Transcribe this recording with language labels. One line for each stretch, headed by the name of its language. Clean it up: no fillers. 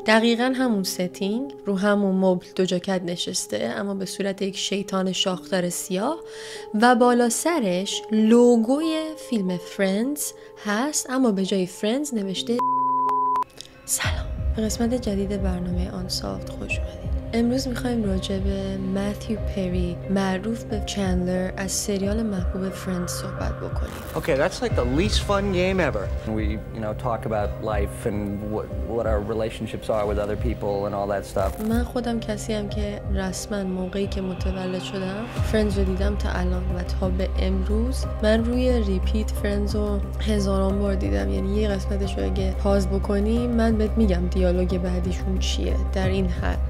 Persian: دقیقا همون ستینگ، رو همون مبل دو جاکت نشسته اما به صورت یک شیطان شاخدار سیاه و بالا سرش لوگوی فیلم فرندز هست اما به جای فرندز نوشته سلام. به قسمت جدید برنامه آنسافت خوش اومدید. امروز میخواییم راجع به ماتیو پری، معروف به چندلر از سریال محبوب فرندز صحبت بکنیم.
English: Okay, that's like the least fun game ever. We, you know, talk about life and what our relationships are with other people and all that stuff.
Persian: من خودم کسی هم که رسماً موقعی که متولد شدم فرندز رو دیدم تا الان و تا به امروز من روی ریپیت فرندز رو هزاران بار دیدم. یعنی یه قسمتش رو اگه پاز بکنی من بهت میگم دیالوگ بعدیشون چیه در این حد.